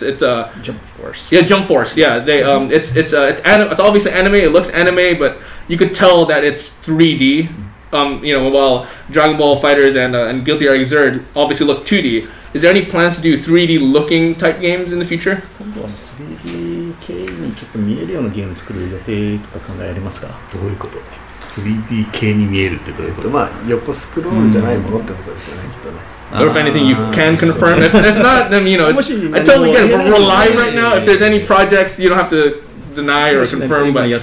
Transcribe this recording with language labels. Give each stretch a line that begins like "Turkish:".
English: It's a Jump Force. Yeah, they it's obviously anime. It looks anime, but you could tell that it's 3D. While Dragon Ball FighterZ and Guilty Gear Xrd obviously look 2D. Is there any plans to do 3D looking type games in the future?
Japanese: 3D 系にちょっと見えるようなゲーム作る予定とか考えられますか？どういうこと？ 3D 系に見えるってどういうこと？まあ横スクロールじゃないものってことですよね、きっとね。
English: Or if anything you can confirm. If not, then you know, I totally get it. We're live right now. If there's any projects, you don't have to deny or confirm.